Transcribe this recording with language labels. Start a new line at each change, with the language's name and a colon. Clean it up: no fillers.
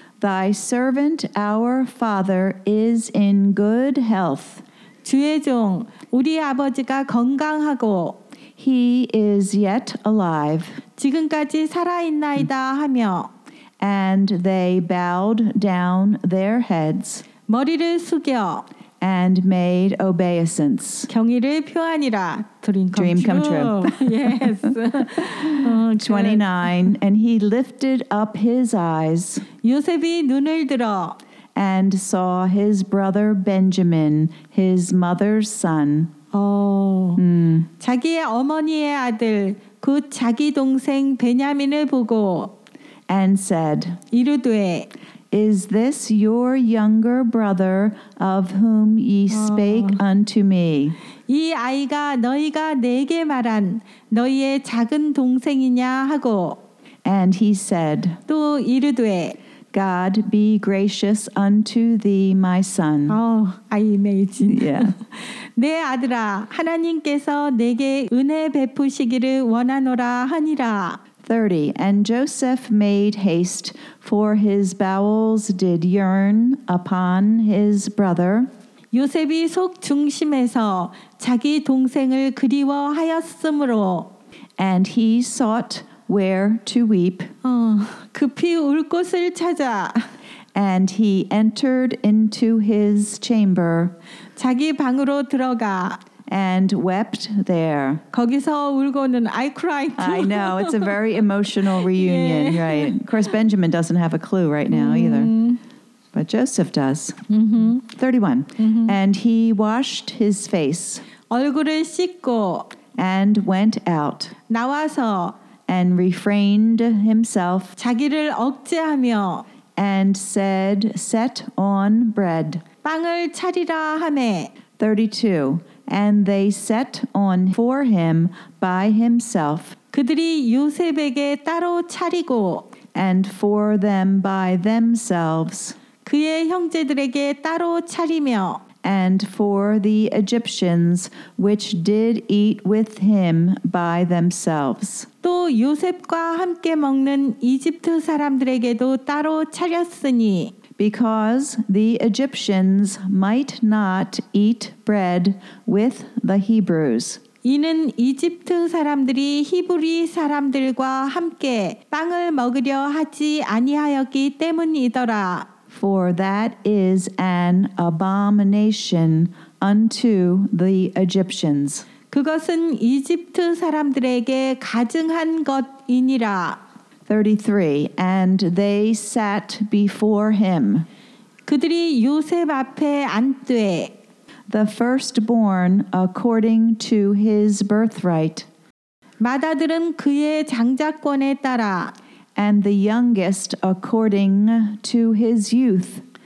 English: Thy servant our father is in good health
Korean: 주의 종 우리 아버지가 건강하고
English: He is yet alive
Korean: 지금까지 살아 있나이다 하며
English: And they bowed down their heads
Korean: 머리를 숙여
English: And made obeisance.
Korean: 경의를 표하니라.
English: Dream come true. Yes. 29. And he lifted up his eyes.
Korean: 요셉이 눈을 들어.
English: And saw his brother Benjamin, his mother's son. Oh.
Korean: 자기의 어머니의 아들, 곧 자기 동생 베냐민을 보고.
English: And said.
Korean: 이르되.
English: Is this your younger brother of whom ye spake unto me?
Korean: 이 아이가 너희가 내게 말한 너희의 작은 동생이냐 하고
English: And he said,
Korean: 또 이르되
English: God be gracious unto thee, my son. Oh, I imagine. Yeah.
Korean: 내 아들아, 하나님께서 내게 은혜 베푸시기를 원하노라 하니라.
English: 30. And Joseph made haste, for his bowels did yearn upon his brother.
Korean: 요셉이 속 중심에서 자기 동생을 그리워하였으므로
English: And he sought where to weep.
Korean: 급히 울 곳을 찾아
English: And he entered into his chamber.
Korean: 자기 방으로 들어가
English: And wept there.
Korean: 거기서 울고는
English: I cried. Too. I know it's a very emotional reunion, yeah. right? Of course, Benjamin doesn't have a clue right now mm-hmm. either, but Joseph does. Mm-hmm. 31. Mm-hmm. And he washed his face.
Korean: 얼굴을 씻고.
English: And went out.
Korean: 나와서.
English: And refrained himself.
Korean: 자기를 억제하며.
English: And said, "Set on bread."
Korean: 빵을 차리라 하매.
English: 32. And they set on for him by himself.
Korean: 그들이 요셉에게 따로 차리고
English: And for them by themselves.
Korean: 그의 형제들에게 따로 차리며
English: And for the Egyptians which did eat with him by themselves.
Korean: 또 요셉과 함께 먹는 이집트 사람들에게도 따로 차렸으니
English: Because the Egyptians might not eat bread with the Hebrews.
Korean: 이는 이집트 사람들이 히브리 사람들과 함께 빵을 먹으려 하지 아니하였기 때문이더라.
English: For that is an abomination unto the Egyptians.
Korean: 그것은 이집트 사람들에게 가증한 것이니라.
English: 33 and they sat before him
Korean: 그들이 요셉 앞에 앉되
English: the firstborn according to his birthright.
Korean: 맏아들은 그의 장자권에 따라.
English: And the youngest according to his youth.